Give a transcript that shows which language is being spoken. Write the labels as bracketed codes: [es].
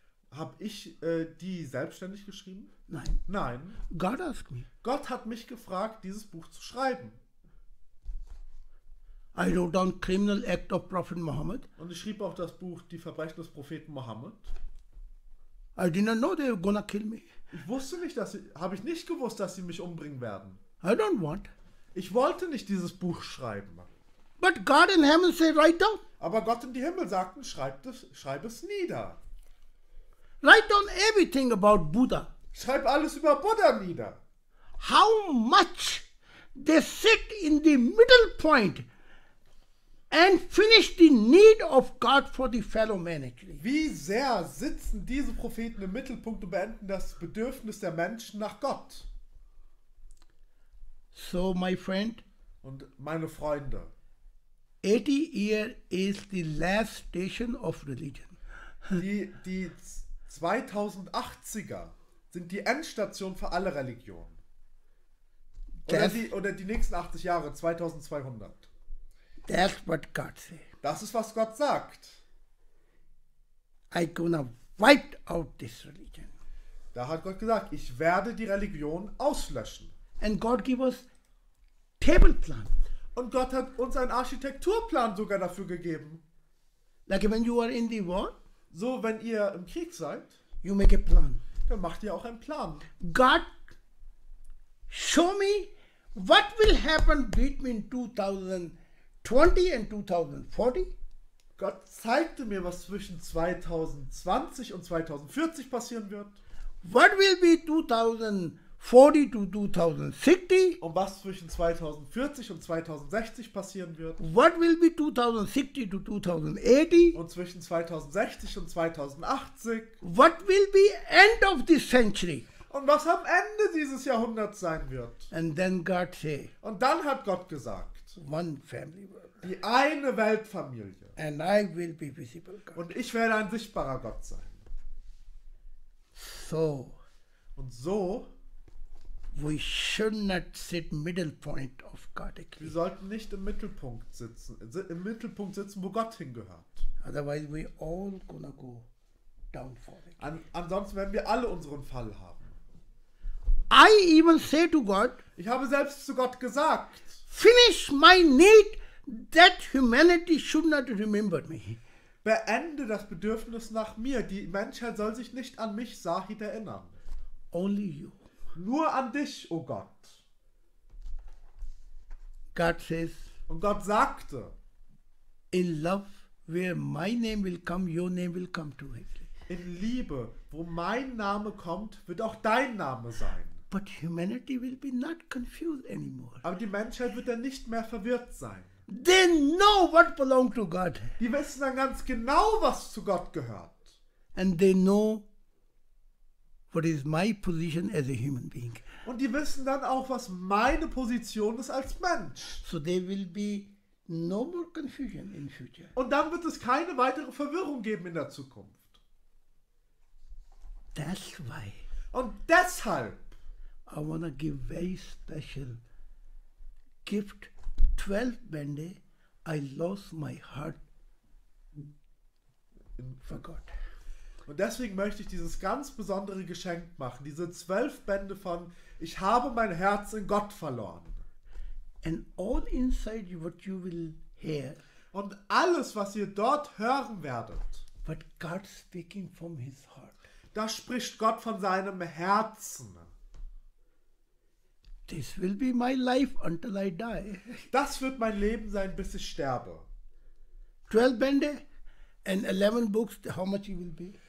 [de] Hab ich die selbstständig geschrieben? Nein. Nein. [en] God asked me. [de] Gott hat mich gefragt, dieses Buch zu schreiben. [en] I wrote down Criminal Act of Prophet Muhammad. [de] Und ich schrieb auch das Buch Die Verbrechen des Propheten Muhammad. [en] I did not know they were gonna kill me. [de] Habe ich nicht gewusst, dass sie mich umbringen werden. [en] I don't want. [de] Ich wollte nicht dieses Buch schreiben. [en] But God in heaven said, write down. [de] Aber Gott in die Himmel sagten, schreib es nieder. [en] Write down everything about Buddha. [de] Schreib alles über Buddha nieder. [en] How much they sit in the middle point and finish the need of God for the fellow humanity. [de] Wie sehr sitzen diese Propheten im Mittelpunkt und beenden das Bedürfnis der Menschen nach Gott? [en] So, my friend. [de] Und meine Freunde. [en] 80 years is the last station of religion. [de] Die 2080er sind die Endstation für alle Religionen. Oder die nächsten 80 Jahre, 2200. [en] That's what God say. [de] Das ist, was Gott sagt. [en] I gonna wipe out this religion. [de] Da hat Gott gesagt, ich werde die Religion auslöschen. [en] And God give us table plan. [de] Und Gott hat uns einen Architekturplan sogar dafür gegeben. [en] Like when you are in the war. [de] So, wenn ihr im Krieg seid, [en] you make a plan. [de] Dann macht ihr auch einen Plan. [en] God, show me what will happen between 2020 and 2040. [de] Gott zeigte mir, was zwischen 2020 und 2040 passieren wird. [en] What will be 2040 to 2060. [de] Und was zwischen 2040 und 2060 passieren wird. [en] What will be 2060 to 2080. [de] Und zwischen 2060 und 2080. [en] What will be end of this century. [de] Und was am Ende dieses Jahrhunderts sein wird. [en] And then God say, [de] und dann hat Gott gesagt. [en] One family world. [de] Die eine Weltfamilie. [en] And I will be visible God. [de] Und ich werde ein sichtbarer Gott sein. [en] So. [de] Und so. [en] We should not sit middle point of God. [de] Wir sollten nicht im Mittelpunkt sitzen, wo Gott hingehört. [en] Otherwise we all gonna go down for it. [de] Ansonsten werden wir alle unseren Fall haben. [en] I even say to God. [de] Ich habe selbst zu Gott gesagt. [en] Finish my need that humanity should not remember me. [de] Beende das Bedürfnis nach mir. Die Menschheit soll sich nicht an mich, Sahid, erinnern. [en] Only you. [de] Nur an dich, oh Gott. [en] God says, [de] und Gott sagte, [en] in love, where my name will come, your name will come to it. [de] In Liebe, wo mein Name kommt, wird auch dein Name sein. [en] But humanity will be not confused anymore. [de] Aber die Menschheit wird dann nicht mehr verwirrt sein. [en] They know what belongs to God. [de] Die wissen dann ganz genau, was zu Gott gehört. [en] And they know, what is my position as a human being? [de] Und die wissen dann auch, was meine Position ist als Mensch. [en] So there will be no more confusion in future. [de] Und dann wird es keine weitere Verwirrung geben in der Zukunft. [en] That's why. [de] Und deshalb. [en] I wanna give very special gift. [de] 12 Bände. [en] I lost my heart. Forgot. [de] Und deswegen möchte ich dieses ganz besondere Geschenk machen. Diese 12 Bände von Ich habe mein Herz in Gott verloren. [en] And all inside you, what you will hear, [de] und alles, was ihr dort hören werdet, [en] but God speaking from his heart, [de] das spricht Gott von seinem Herzen. [en] This will be my life until I die. [de] Das wird mein Leben sein, bis ich sterbe. 12 Bände [en] and 11 books, how much it will be?